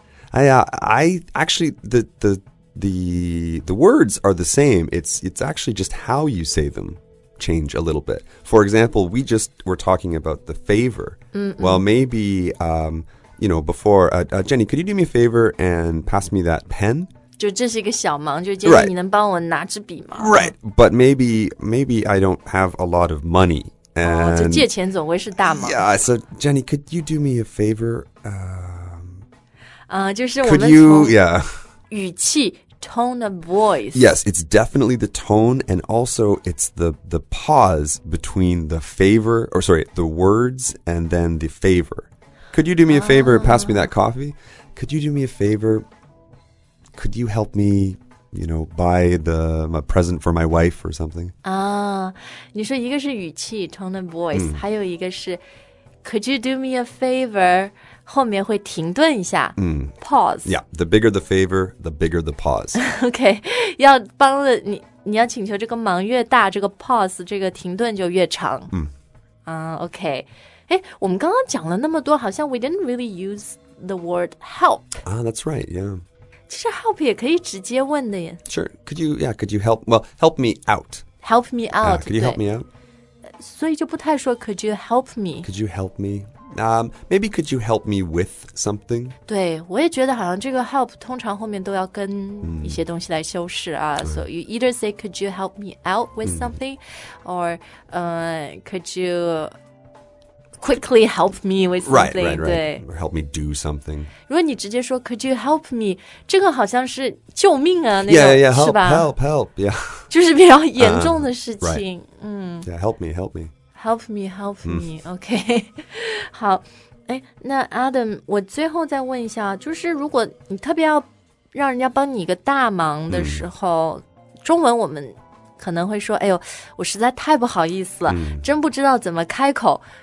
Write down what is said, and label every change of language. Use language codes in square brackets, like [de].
[en] 哎呀 I actually the words are the same it's actually just how you say them change a little bit for example we just were talking about the favor、 mm-hmm. well maybe、You know, before, Jenny, could you do me a favor and pass me that pen? [zh] 就这是一个小忙就 Jenny, 你能帮我拿支笔吗 [en] Right, but maybe I don't have a lot of money. [zh] 这借钱总会是大忙。 [en] Yeah, so Jenny, could you do me a favor? [zh] 就是我们 [en] Could you, yeah. 语气 tone of voice. Yes, it's definitely the tone and also it's the pause between the favor, or sorry, the words and then the favor. Could you do me a favor, pass me that coffee? Could you do me a favor? Could you help me, you know, buy my present for my wife or something? [zh] 你说一个是语气 [en] tone of voice,、 [zh] 还有一个是 [en] could you do me a favor? [zh] 后面会停顿一下、pause. [en] Yeah, the bigger the favor, the bigger the pause. [zh] Okay, 要帮了你，你要请求这个忙越大，这个 pause, 这个停顿就越长。 [en] Okay. [zh] 我们刚刚讲了那么多好像 [en] we didn't really use the word help. That's right, yeah. [zh] 其实 help 也可以直接问的耶。 [en] Sure, could you help, well, help me out. Help me out, Could you help me out? 所以就不太说 could you help me. Could you help me? Maybe could you help me with something? [zh] 对我也觉得好像这个 help 通常后面都要跟一些东西来修饰啊。 Mm. [en] So you either say could you help me out with something, or could you... Quickly help me with something. Right. Or help me do something. [zh] 如果你直接说 [en] could you help me, [zh] 这个好像是救命啊那种 [en] yeah, help, yeah. [zh] 就是比较严重的事情。 [en] Yeah, help me. Help me, okay. [zh] 好那 Adam, 我最后再问一下就是如果你特别要让人家帮你一个大忙的时候、中文我们可能会说哎呦我实在太不好意思了、真不知道怎么开口。